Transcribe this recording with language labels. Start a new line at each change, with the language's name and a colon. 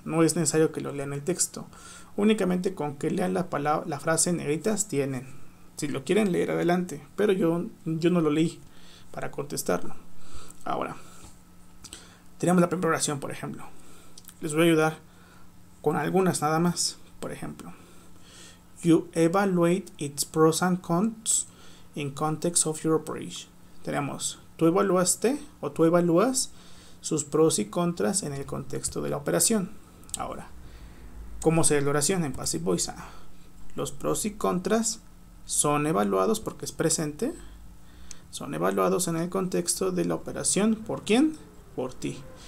Spanish: No es necesario que lo lean el texto. Únicamente con que lean la frase en negritas tienen. Si lo quieren leer, adelante. Pero yo no lo leí para contestarlo. Ahora, tenemos la primera oración, por ejemplo. Les voy a ayudar con algunas nada más. Por ejemplo,
English: you evaluate its pros and cons in context of your operation.
Spanish: Tenemos, tú evaluaste o tú evalúas sus pros y contras en el contexto de la operación. Ahora, ¿cómo sería la oración en Passive Voice? Ah, los pros y contras son evaluados porque es presente. Son evaluados en el contexto de la operación. ¿Por quién? Por ti.